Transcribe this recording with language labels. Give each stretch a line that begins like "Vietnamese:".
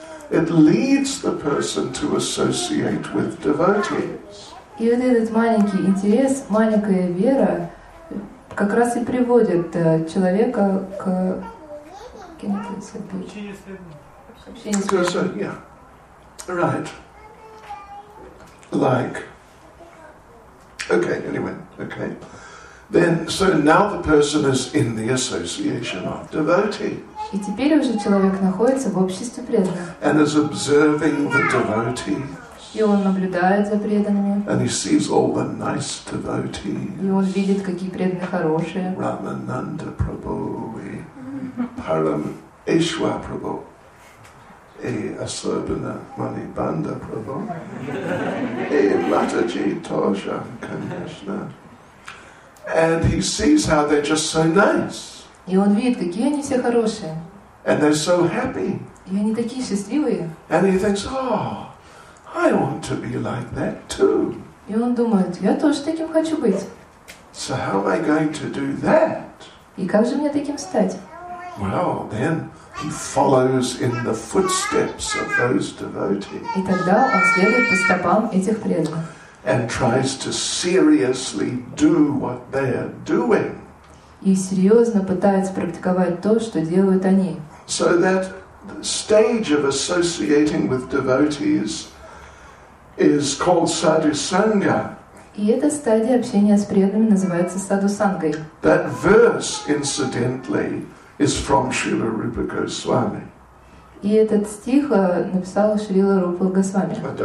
English: It leads the person to associate with devotees.
Russian: И вот этот маленький интерес, маленькая вера, как раз и приводит человека к общению.
English: So, yeah, right, like. Okay. Then, so now the person is in the association of devotees.
Russian: И теперь уже человек находится в обществе преданных.
English: And is observing the devotees.
Russian: И он наблюдает за преданными.
English: And he sees all the nice devotees.
Russian: И он видит, какие преданные хорошие. Рамананда Прабху, Парамешва Прабху, и особенно Манибанда Прабху, и Матаджи тоже, конечно.
English: And he sees how they're just so nice.
Russian: И он видит, какие они все хорошие.
English: And they're so happy.
Russian: И они такие счастливые.
English: And he thinks, I want to be like that too.
Russian: И он думает, я тоже таким хочу быть.
English: So how am I going to do that?
Russian: И как же мне таким стать?
English: Well, then he follows in the footsteps of those devotees.
Russian: И тогда он следует по стопам этих преданных.
English: And tries to seriously do what they are doing.
Russian: И серьезно пытается практиковать то, что делают они.
English: So that stage of associating with devotees is called sadhusanga.
Russian: И эта стадия общения с преданными называется садхусангой.
English: That verse, incidentally, is from Srila Rupa Goswami.
Russian: И этот стих написал Шрила Рупа Госвами.